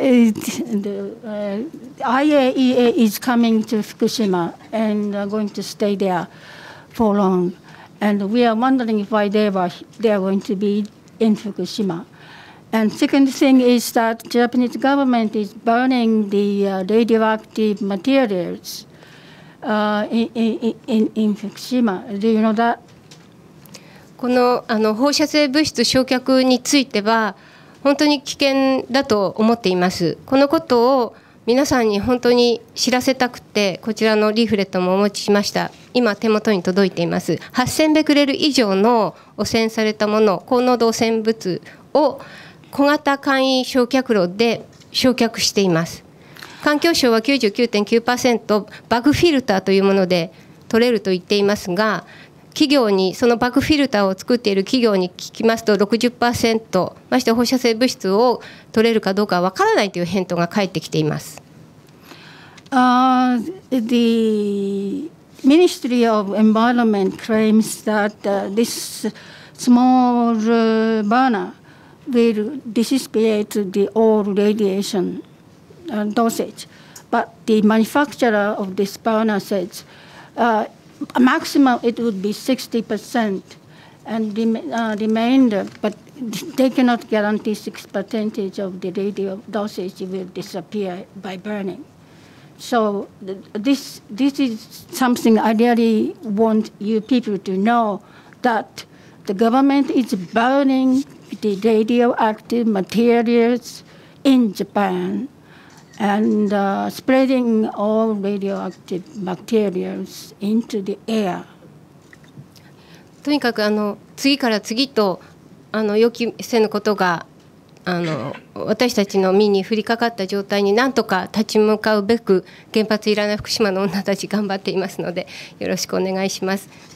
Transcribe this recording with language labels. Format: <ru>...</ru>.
<en>IAEA is coming to Fukushima and going to stay there for longAnd we are wondering why they are going to be in Fukushima. And second thing is that Japanese government is burning the radioactive materials in Fukushima. Do you know that?</en> <ja>この放射性物質焼却については本当に危険だと思っています。このことを皆さんに本当に知らせたくて、こちらのリーフレットもお持ちしました。今手元に届いています。8000ベクレル以上の汚染されたもの、高濃度汚染物を小型簡易焼却炉で焼却しています。環境省は 99.9% バグフィルターというもので取れると言っていますが、企業に、そのバグフィルターを作っている企業に聞きますと 60% まして放射性物質を取れるかどうかわからないという返答が返ってきています。</ja> <en>The Ministry of Environment claims that this small burner will dissipate the all radiation dosage, but the manufacturer of this burner says A maximum it would be 60% and remainder, but they cannot guarantee 60% of the radio dosage will disappear by burning. So this is something I really want you people to know, that the government is burning the radioactive materials in Japan and spreading all radioactive materials into the air.</en> <ja>とにかく次から次と予期せぬことが私たちの身に降りかかった状態に何とか立ち向かうべく、原発いらない福島の女たち頑張っていますので、よろしくお願いします。</ja>